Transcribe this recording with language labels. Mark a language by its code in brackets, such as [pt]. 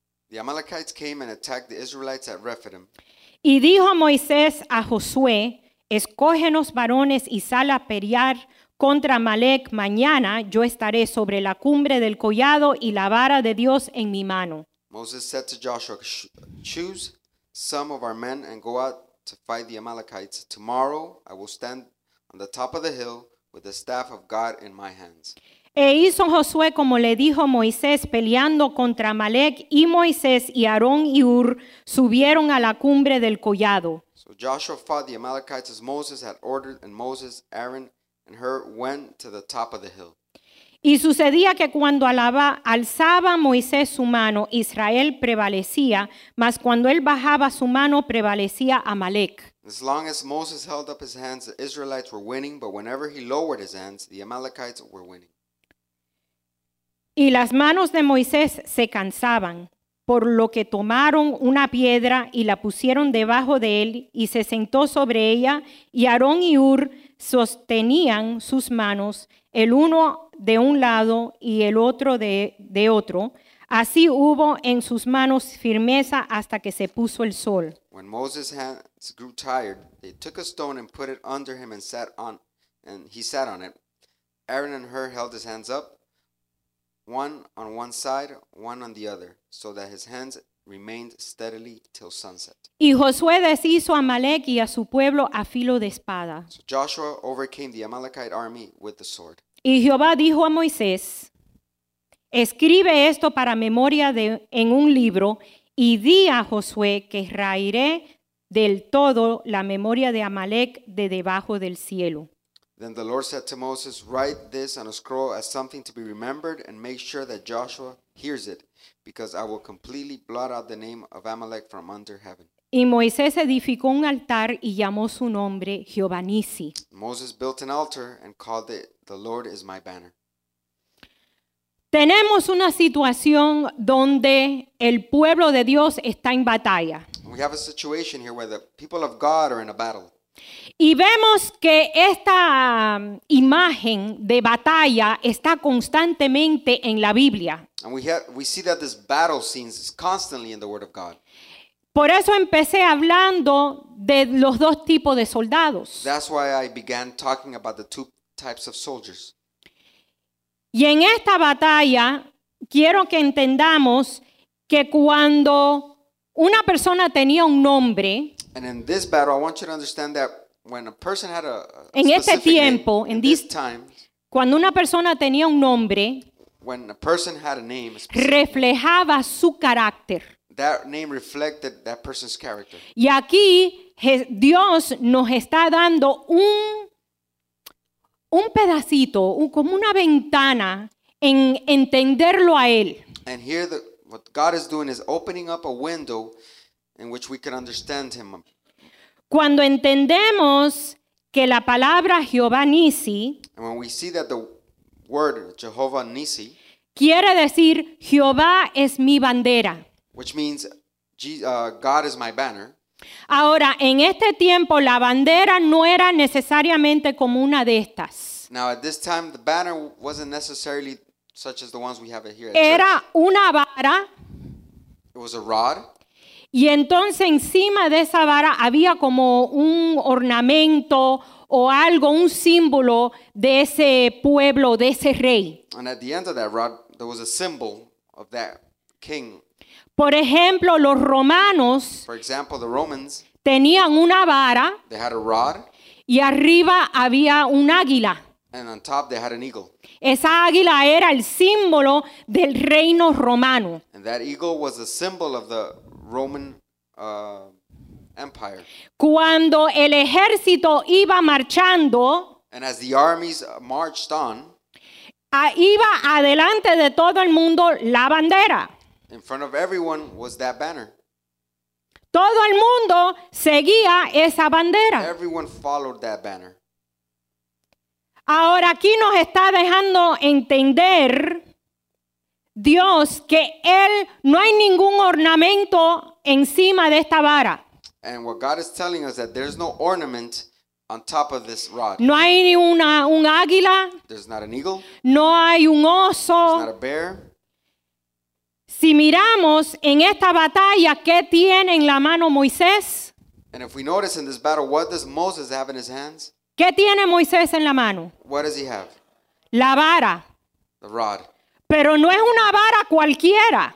[en] The Amalekites came and attacked the Israelites at Rephidim. [es] Y dijo Moisés a Josué, escógenos varones y sal a pelear contra Amalek. Mañana yo estaré sobre la cumbre del collado y la vara de Dios en mi mano. [en] Moses said to Joshua, choose some of our men and go out to fight the Amalekites. Tomorrow I will stand on the top of the hill with the staff of God in my hands. [es] E hizo Josué como le dijo Moisés, peleando contra Amalek, y Moisés y Aarón y Ur subieron a la cumbre del collado. [en] So Joshua fought the Amalekites as Moses had ordered, and Moses, Aaron, and Hur went to the top of the hill. [es] Y sucedía que cuando alzaba Moisés su mano, Israel prevalecía, mas cuando él bajaba su mano, prevalecía Amalek. [en] As long as Moses held up his hands, the Israelites were winning, but whenever he lowered his hands, the Amalekites were winning. [es] Y las manos de Moisés se cansaban, por lo que tomaron una piedra y la pusieron debajo de él y se sentó sobre ella, y Aarón y Ur sostenían sus manos, el uno de un lado y el otro de otro. Así hubo en sus manos firmeza hasta que se puso el sol. [en] When Moses' hands grew tired, they took a stone and put it under him and sat on, and he sat on it. Aaron and Hur held his hands up, one on one side, one on the other, so that his hands remained steadily till sunset. [es] Y Josué deshizo a Amalek y a su pueblo a filo de espada. [en] So Joshua overcame the Amalekite army with the sword. [es] Y Jehová dijo a Moisés, escribe esto para memoria en un libro, y di a Josué que raeré del todo la memoria de Amalek de debajo del cielo. [en] Then the Lord said to Moses, write this on a scroll as something to be remembered, and make sure that Joshua hears it, because I will completely blot out the name of Amalek from under heaven. [es] Y Moisés edificó un altar y llamó su nombre Jehová Nisi. [en] Moses built an altar and called it, the Lord is my banner. [es] Tenemos una situación donde el pueblo de Dios está en batalla. [en] We have a situation here where the people of God are in a battle. [es] Y vemos que esta imagen de batalla está constantemente en la Biblia. [en] And we see that this battle scene is constantly in the Word of God. [es] Por eso empecé hablando de los dos tipos de soldados. [en] That's why I began talking about the two types of soldiers. [es] Y en esta batalla quiero que entendamos que cuando una persona tenía un nombre, [en] and in this battle, I want you to understand that when a person had a [es] en este tiempo, [en] name, in this time, [es] cuando una persona tenía un nombre, [en] when a person had a name, [es] reflejaba su carácter. [en] That name reflected that person's character. [es] Y aquí Dios nos está dando un pedacito, como una ventana en entenderlo a él. [en] And here what God is doing is opening up a window in which we can understand him. [es] Cuando entendemos que la palabra Jehová Nisi, [en] and when we see that the word Jehovah Nisi [es] quiere decir Jehová es mi bandera, [en] which means God is my banner. [es] Ahora, en este tiempo la bandera no era necesariamente como una de estas. [en] Now at this time the banner wasn't necessarily such as the ones we have here. [es] Era [en] church. [es] Una vara. [en] It was a rod. [es] Y entonces encima de esa vara había como un ornamento o algo, un símbolo de ese pueblo, de ese rey. [en] And at the end of that rod, there was a symbol of that king. [es] Por ejemplo, los romanos, [en] for example, the Romans, [es] tenían una vara, [en] they had a rod, [es] y arriba había un águila. [en] And on top they had an eagle. [es] Esa águila era el símbolo del reino romano. [en] And that eagle was a symbol of the Roman Empire. [es] Cuando el ejército iba marchando, [en] and as the armies marched on, [es] iba adelante de todo el mundo la bandera. [en] In front of everyone was that banner. [es] Todo el mundo seguía esa bandera. [en] Everyone followed that banner. [es] Ahora aquí nos está dejando entender Dios que él no hay ningún ornamento encima de esta vara. [en] And what God is telling us is that there's no ornament on top of this rod. [es] No hay ni un águila. [en] There's not an eagle. [es] No hay un oso. [en] There's not a bear. [es] Si miramos en esta batalla, ¿qué tiene en la mano Moisés? [en] And if we notice in this battle, what does Moses have in his hands? [es] ¿Qué tiene Moisés en la mano? [en] What does he have? [es] La vara. [en] The rod. [es] Pero no es una vara cualquiera.